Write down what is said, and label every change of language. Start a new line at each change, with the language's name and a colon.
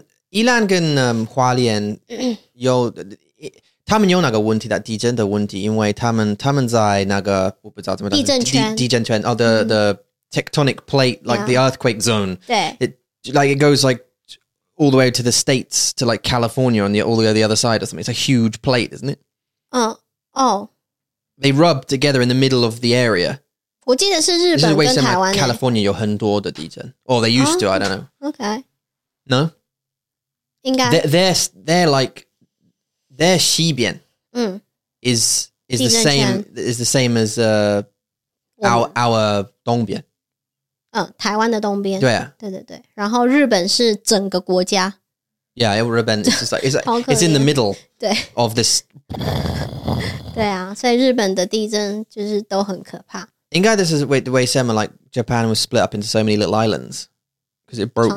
Chinese: 宜兰跟, 花莲, 有, 他们有那个问题, 地震的问题, 因为他们, 他们在那个, 我不知道怎么, 地震圈, , 地震圈,
English: oh, the tectonic plate, like the earthquake zone,
Chinese: 对,
English: it goes like, all the way to the States, to like California on the other side or something. It's a huge plate, isn't it? They rub together in the middle of the area.
Chinese: 我记得是日本跟台湾。
English: California
Chinese: 有很多的地震,
English: or they used to, I don't know. Okay. No?
Chinese: 应该。
English: They're like, their 西边 is the same as our 东边.
Chinese: 台湾的东边。对啊，对对对。然后日本是整个国家。
English: Yeah, Ribbon is just like, it's in the middle of this.
Chinese: 对啊，所以日本的地震就是都很可怕。应该
English: this is the way similar, like Japan was split up into so many little islands, because it broke.